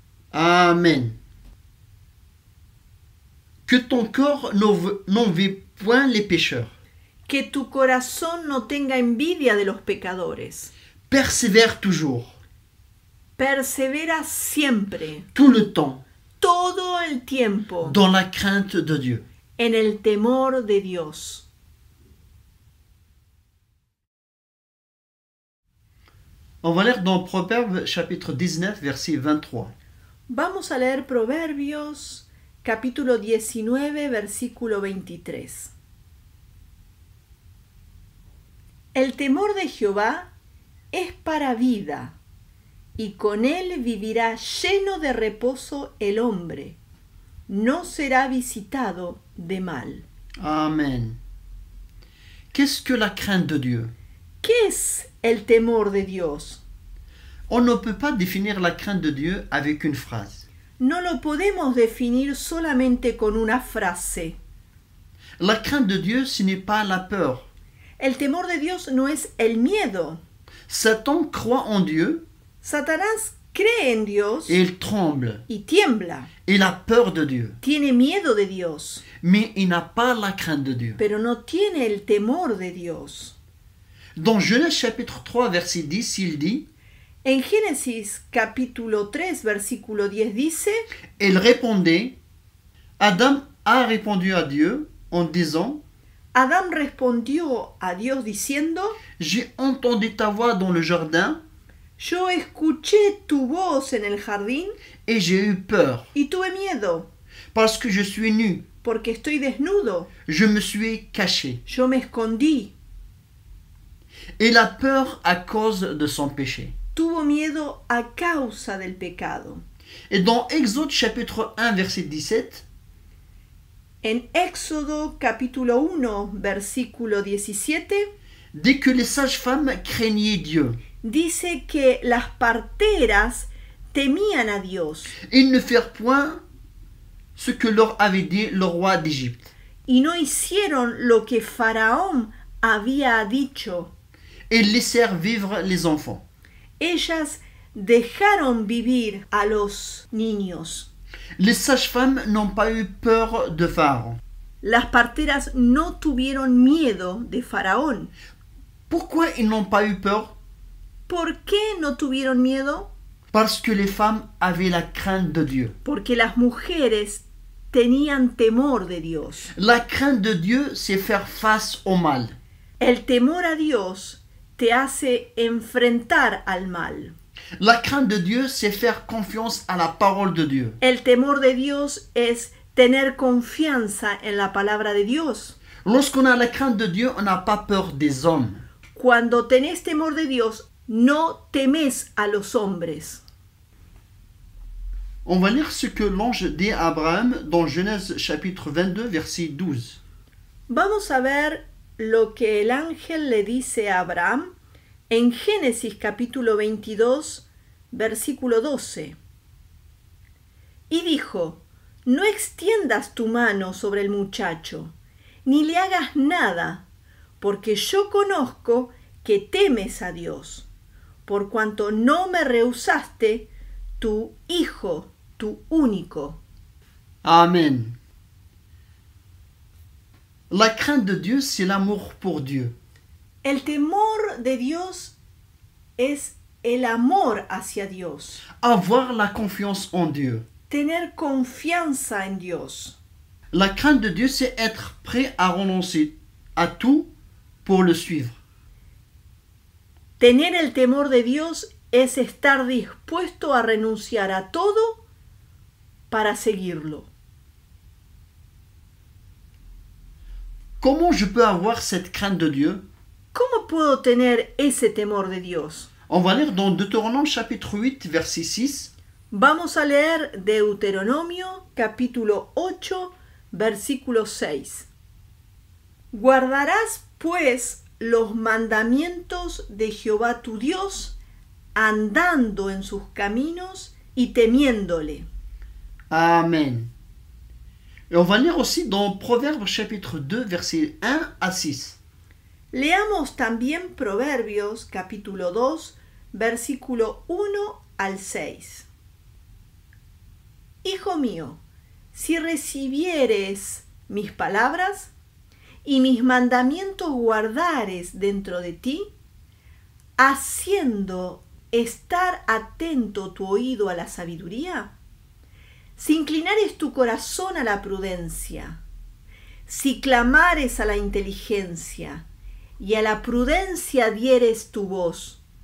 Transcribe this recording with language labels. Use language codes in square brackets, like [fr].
[es] Amén. [fr] Que ton corps n'envie point les pécheurs. [es] Que tu corazón no tenga envidia de los pecadores. [fr] Persevera toujours. [es] Persevera siempre. [fr] Tout le temps. [es] Todo el tiempo. [fr] Dans la crainte de Dieu. [es] En el temor de Dios. [fr] On va lire dans Proverbes chapitre 19, verset 23. [es] Vamos a leer Proverbios capítulo 19, versículo 23. El temor de Jehová es para vida. Y con él vivirá lleno de reposo el hombre. No será visitado de mal. Amén. [fr] Qu'est-ce que la crainte de Dieu? [es] ¿Qué es el temor de Dios? [fr] On ne peut pas définir la crainte de Dieu avec une phrase. [es] No lo podemos definir solamente con una frase. [fr] La crainte de Dieu, ce n'est pas la peur. [es] El temor de Dios no es el miedo. [fr] Satan croit en Dieu. [es] Satanás cree en Dios. [fr] Et il tremble. [es] Y tiembla. [fr] Il a peur de Dieu. [es] Tiene miedo de Dios. [fr] Mais il n'a pas la crainte de Dieu. [es] Pero no tiene el temor de Dios. [fr] Dans Genèse chapitre 3 verset 10, il dit: [es] En Génesis capítulo 3 versículo 10 dice: [fr] Elle répondait: Adam a répondu à Dieu en disant: [es] Adam respondió a Dios diciendo: [fr] J'ai entendu ta voix dans le jardin. [es] Yo escuché tu voz en el jardín. [fr] Et j'ai eu peur. [es] Y tuve miedo. [fr] Parce que je suis nu. [es] Porque estoy desnudo. [fr] Je me suis caché. [es] Yo me escondí. [fr] Et la peur à cause de son péché. [es] Tuvo miedo a causa del pecado. [fr] Et dans Exode chapitre 1 verset 17. [es] En Éxodo capítulo 1 versículo 17. [fr] Dit que les sages-femmes craignaient Dieu. [es] Dice que las parteras temían a Dios. [fr] Ils ne firent point ce que leur avait dit le roi d'Égypte. [es] Y no hicieron lo que Faraón había dicho. [fr] Et laissèrent vivre les enfants. [es] Ellas dejaron vivir a los niños. [fr] Les sages-femmes n'ont pas eu peur de Pharaon. [es] Las parteras no tuvieron miedo de Faraón. [fr] Pourquoi ils n'ont pas eu peur? [es] ¿Por qué no tuvieron miedo? [fr] Parce que les femmes avaient la crainte de Dieu. [es] Porque las mujeres tenían temor de Dios. [fr] La crainte de Dieu, c'est faire face au mal. [es] El temor a Dios te hace enfrentar al mal. [fr] La crainte de Dieu, c'est faire confiance à la parole de Dieu. [es] El temor de Dios es tener confianza en la palabra de Dios. [fr] Lorsqu'on a la crainte de Dieu, on n'a pas peur des hommes. [es] Cuando tenés temor de Dios, no temes a los hombres. [fr] On va lire ce que l'ange dit à Abraham dans Genèse chapitre 22 verset 12. [es] Vamos a ver lo que el ángel le dice a Abraham en Génesis capítulo 22, versículo 12. Y dijo: No extiendas tu mano sobre el muchacho, ni le hagas nada, porque yo conozco que temes a Dios, por cuanto no me rehusaste tu hijo, tu único. Amén. [fr] La crainte de Dieu, c'est l'amour pour Dieu. [es] El temor de Dios es el amor hacia Dios. [fr] Avoir la confiance en Dieu. [es] Tener confianza en Dios. [fr] La crainte de Dieu, c'est être prêt à renoncer à tout pour le suivre. [es] Tener el temor de Dios es estar dispuesto a renunciar a todo para seguirlo. [fr] Comment je peux avoir cette crainte de Dieu? [es] ¿Cómo puedo tener ese temor de Dios? [fr] On va lire dans Deutéronome chapitre 8 verset 6. [es] Vamos a leer Deuteronomio capítulo 8 versículo 6. Guardarás pues los mandamientos de Jehová tu Dios, andando en sus caminos y temiéndole. Amén. [fr] Et on va lire aussi dans Proverbes chapitre 2 verset 1 à 6. [es] Leamos también Proverbios capítulo 2 versículo 1 al 6. Hijo mío, si recibieres mis palabras y mis mandamientos guardares dentro de ti, haciendo estar atento tu oído a la sabiduría, si inclinares tu corazón a la prudencia, si clamares a la inteligencia y a la prudencia dieres tu voz,